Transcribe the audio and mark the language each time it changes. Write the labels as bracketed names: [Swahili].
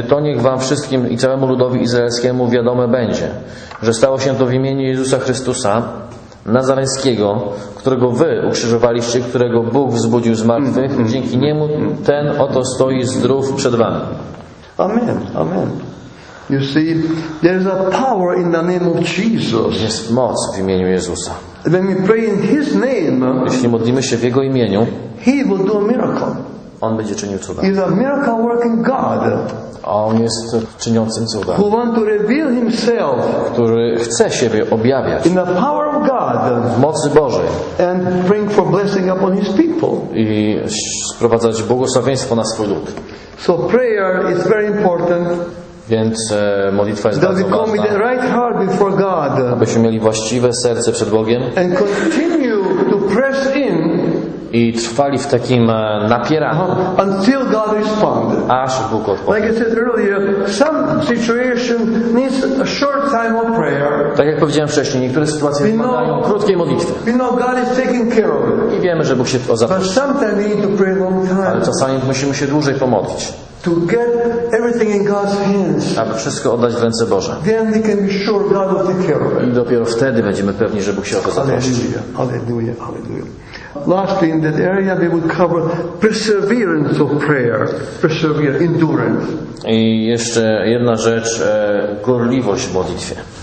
[Polish] To niech wam wszystkim i całemu ludowi izraelskiemu wiadome będzie, że stało się to w imieniu Jezusa Chrystusa Nazareńskiego, którego wy ukrzyżowaliście, którego Bóg wzbudził z martwych, dzięki niemu ten oto stoi zdrów przed wami. Amen, amen. [English] You see, there is a power in the name of Jesus. [Polish] Jest moc w imieniu Jezusa. [English] When we pray in His name, [Polish] jeśli modlimy się w Jego imieniu, [English] He will do a miracle. [Polish] On będzie czynił cuda. [English] He's a miracle working God. [Polish] A On jest czyniącym cuda. [English] Who want to reveal Himself, [Polish] który chce siebie objawiać [English] in the power of God, [Polish] w mocy Bożej [English] and bring for blessing upon His people. [Polish] I sprowadzać błogosławieństwo na swój lud. [English] So prayer is very important. [Polish] Więc modlitwa jest bardzo ważna. [English] With the right heart before God, [Polish] abyśmy mieli właściwe serce przed Bogiem [English] and continue to press in, [Polish] i trwali w takim napieraniu, [English] until God respond. [Polish] Aż Bóg odpowie. [English] Like I said earlier, some situation needs a short time of prayer. [Polish] Tak jak powiedziałem wcześniej, niektóre sytuacje wymagają krótkiej modlitwy. [English] We know God is taking care of it. [Polish] I wiemy, że Bóg się o zatroszczy. [English] But sometimes we need to pray a long time. [Polish] Ale czasami musimy się dłużej pomodlić. [English] To get everything in God's hands. [Polish] Aby wszystko oddać w ręce Boże. [English] Then we can be sure God will take care of it. [Polish] I dopiero wtedy będziemy pewni, że Bóg się o to zatroszczy. Alleluja, alleluja, alleluja. [English] Lastly, in that area, we would cover perseverance of prayer, perseverance, endurance. [Polish] I jeszcze jedna rzecz, gorliwość w modlitwie.